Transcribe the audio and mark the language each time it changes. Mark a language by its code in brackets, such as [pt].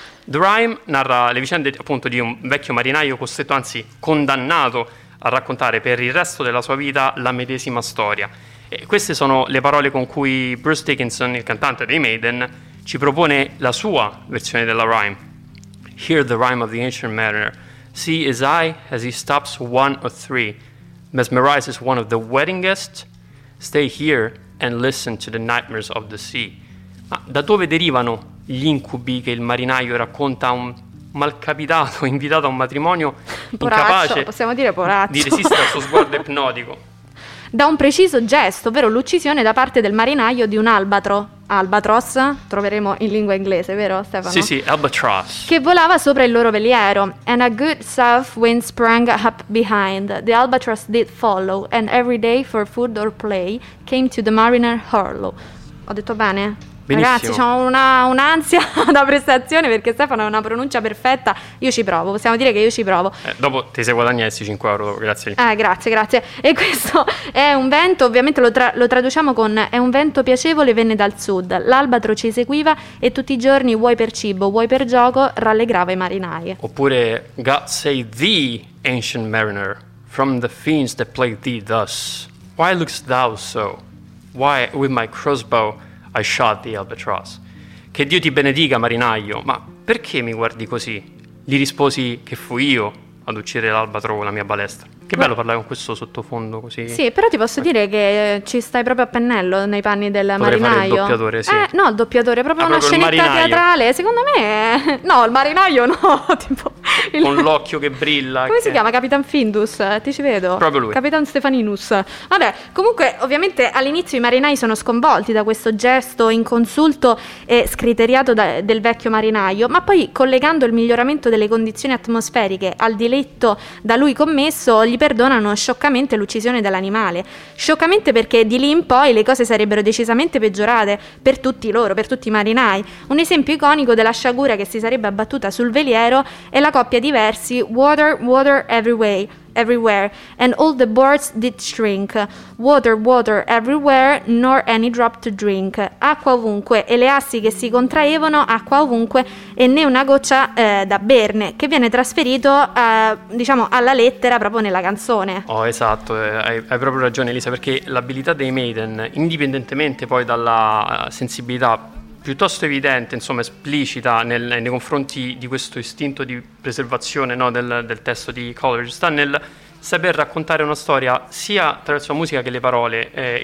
[it] The Rime narra le vicende appunto di un vecchio marinaio costretto, anzi condannato, a raccontare per il resto della sua vita la medesima storia. E queste sono le parole con cui Bruce Dickinson, il cantante dei Maiden, ci propone la sua versione della rhyme. [en] Hear the rhyme of the ancient mariner. See his eye as he stops one of three. Mesmerizes one of the wedding guests. Stay here and listen to the nightmares of the sea. [it] Ma da dove derivano gli incubi che il marinaio racconta a un malcapitato invitato a un matrimonio incapace, possiamo dire, di resistere al suo sguardo ipnotico? Da un preciso gesto, ovvero l'uccisione da parte del marinaio di un albatros, troveremo in lingua inglese, vero Stefano? Sì, albatross. Che volava sopra il loro veliero. [en] And a good south wind sprang up behind. The albatross did follow, and every day for food or play came to the mariner hurlo. [it] Ho detto bene? Benissimo. Ragazzi, ho un'ansia da prestazione perché Stefano ha una pronuncia perfetta. Io ci provo, possiamo dire che io ci provo. Dopo ti sei guadagnato questi 5 euro, grazie. Grazie. E questo è un vento, ovviamente lo traduciamo con è un vento piacevole, venne dal sud. L'albatro ci seguiva e tutti i giorni, vuoi per cibo, vuoi per gioco, rallegrava i marinai. Oppure, [en] God save thee, ancient mariner, from the fiends that plague thee thus. Why look'st thou so? Why, with my crossbow, I shot the albatross. [it] Che Dio ti benedica, marinaio, ma perché mi guardi così? Gli risposi che fui io ad uccidere l'albatro con la mia balestra. Che bello parlare con questo sottofondo così. Sì, però ti posso dire che ci stai proprio a pennello nei panni del Potrei marinaio. Fare il doppiatore, sì. No, il doppiatore, proprio una scenetta teatrale. Secondo me è... No, il marinaio no, tipo... Con l'occhio che brilla. Come si chiama? Capitan Findus? Ti ci vedo. Proprio lui. Capitan Stefaninus. Vabbè, comunque, ovviamente, all'inizio i marinai sono sconvolti da questo gesto inconsulto e scriteriato del vecchio marinaio, ma poi, collegando il miglioramento delle condizioni atmosferiche al diletto da lui commesso, gli perdonano scioccamente l'uccisione dell'animale. Scioccamente perché di lì in poi le cose sarebbero decisamente peggiorate per tutti loro, per tutti i marinai. Un esempio iconico della sciagura che si sarebbe abbattuta sul veliero è la coppia di versi [en] Water, water everywhere, and all the boards did shrink. Water, water everywhere, nor any drop to drink. [it] Acqua ovunque, e le assi che si contraevano, acqua ovunque, e né una goccia da berne, che viene trasferito, diciamo, alla lettera proprio nella canzone. Oh, esatto, hai proprio ragione, Elisa, perché l'abilità dei Maiden, indipendentemente poi dalla sensibilità piuttosto evidente, insomma esplicita nei confronti di questo istinto di preservazione, no, del testo di Coleridge, sta nel saper raccontare una storia sia attraverso la musica che le parole.